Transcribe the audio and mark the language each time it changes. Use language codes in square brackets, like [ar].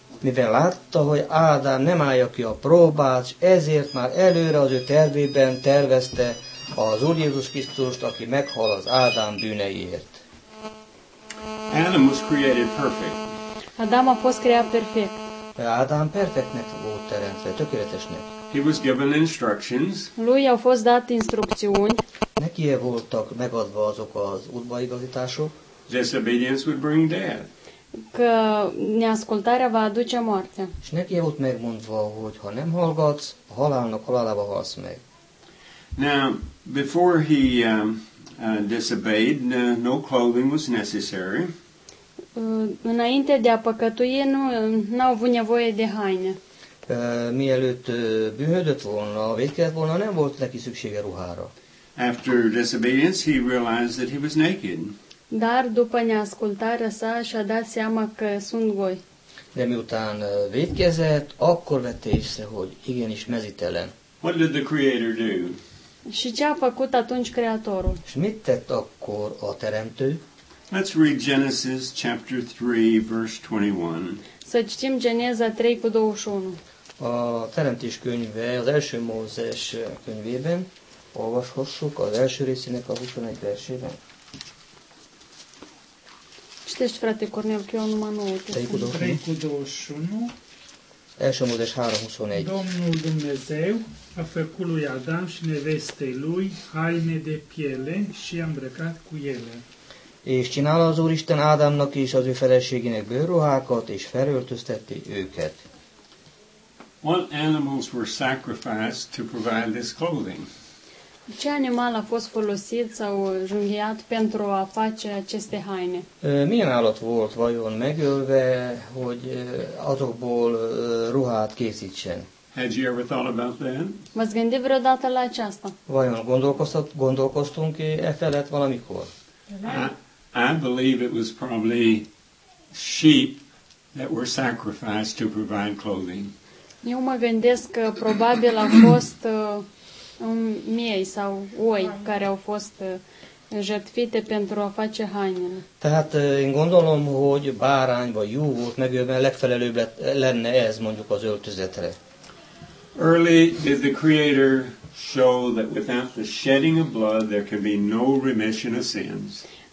[hu] Mivel látta, hogy Ádám nem állja ki a próbát, ezért már előre az ő tervében tervezte az Úr Jézus Krisztust, aki meghal az Ádám bűneiért. [en] Adam was created perfect. [ro] Adam a fost creat perfect. [hu] Ádám perfektnek volt teremtve, tökéletesnek. [en] He was given instructions. [ro] Lui a fost dat instrukciói. [hu] Nekie voltak megadva azok az útbaigazítások. [en] Disobedience would bring death. [ro] Că neascultarea va aduce moartea. [hu] Și neki e volt megmondva, hogy ha nem hallgatsz, a halálnak halálába halsz meg. [en] Now, before he disobeyed, no clothing was necessary. [ro] Înainte de a păcătui, nu au avut nevoie de haine. [hu] Mielőtt bűnhődött volna, vétkezett volna, nem volt neki szüksége ruhára. [en] After disobedience, he realized that he was naked. [ro] Dar după neascultarea sa și-a dat seama că sunt goi. [hu] De miután vétkezett, akkor vette észre, hogy igenis mezítelen. [en] What did the creator do? [ro] Și ce a făcut atunci creatorul? [hu] Și mit tett akkor a teremtő? [en] Let's read Genesis chapter 3 verse 21. [ro] Să citim Geneza 3 cu 21. [hu] A teremtés könyve, az első Mózes könyvében olvashassuk az első részének a 21 versében. [ro] Citești, frate Cornel, că eu numai nu uite. 3 cu 21. [hu] Első Mózes 3:21. [ro] Domnul Dumnezeu a făcut lui Adam și nevestei lui haine de piele și a îmbrăcat cu ele. [hu] És csinál az Úristen Ádámnak és az ő feleségének bőrruhákat, és felöltöztette őket. [en] What animals were sacrificed to provide this clothing? [ro] Ce animal a fost folosit sau junghiat pentru a face aceste haine? [hu] Milyen állat volt vajon megölve, hogy azokból ruhát készítsen? [en] Had you ever thought about that? [ro] V-ați gândit vreodată la aceasta? [hu] Vajon gondolkoztunk-e e felett valamikor? [en] I believe it was probably sheep that were sacrificed to provide clothing. [ro] Eu mă gândesc că probabil a fost miei sau oi care au fost jertfite pentru a face hainele. [hu] Tehát én gondolom, hogy bárány vagy jó volt megölve, legfelelőbb lenne ez mondjuk az öltözetre. [en] Early did the Creator show that without the shedding of blood there can be no remission of sins.